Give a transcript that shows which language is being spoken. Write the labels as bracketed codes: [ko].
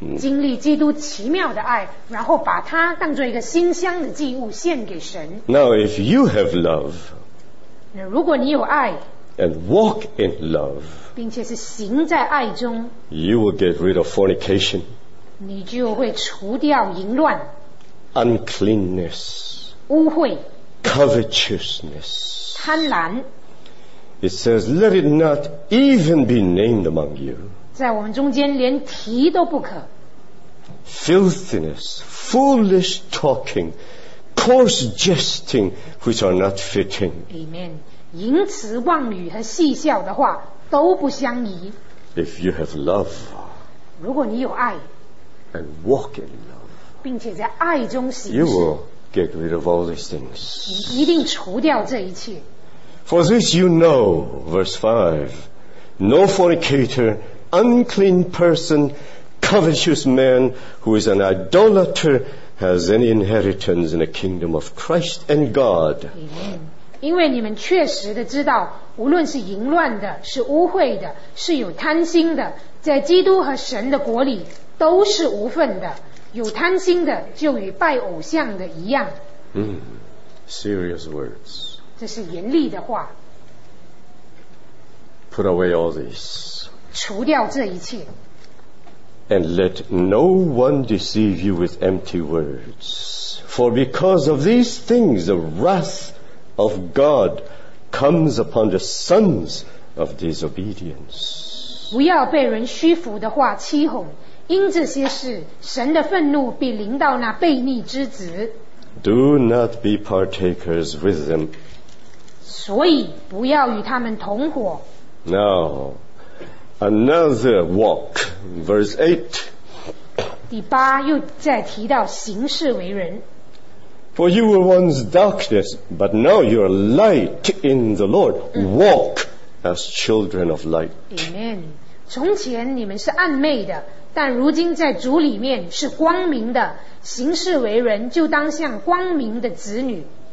[zh] 经历基督奇妙的爱，然后把它当作一个馨香的祭物献给神。 [en] Now if you have love, [zh] 如果你有爱， [en] and walk in love, [zh] 并且是行在爱中， [en] you will get rid of fornication, [zh] 你就会除掉淫乱， [en] uncleanness, [zh] 污秽， [en] covetousness, [zh] 贪婪。 [en] It says, let it not even be named among you. [zh] 在我们中间连提都不可。 [en] Filthiness, foolish talking, coarse jesting, which are not fitting. Amen. [zh] 淫词妄语和戏笑的话都不相宜。 [en] If you have love, [zh] 如果你有爱， [en] and walk in love, [zh] 并且在爱中行事， [en] you will get rid of all these things. [zh] 你一定除掉这一切。 [en] For this you know, verse 5, no fornicator, unclean person, covetous man who is an idolater has any inheritance in the kingdom of Christ and God. Amen. [zh] 因为你们确实的知道，无论是淫乱的，是污秽的，是有贪心的，在基督和神的国里都是无份的，有贪心的就与拜偶像的一样。 [en] Serious words. [zh] 这是严厉的话。 [en] Put away all this. [zh] 除掉这一切。 [en] And let no one deceive you with empty words. For because of these things, the wrath of God comes upon the sons of disobedience. [zh] 不要被人虚浮的话欺哄，因这些事，神的愤怒必临到那悖逆之子。 [en] Do not be partakers with them. [zh] 所以不要与他们同伙。 [en] Now another walk, verse 8. [zh] 第八又再提到行事为人。 [en] For you were once darkness, but now you are light in the Lord. Walk as children of light. Amen. [zh] 从前你们是暗昧的，但如今在主里面是光明的，行事为人就当像光明的子女。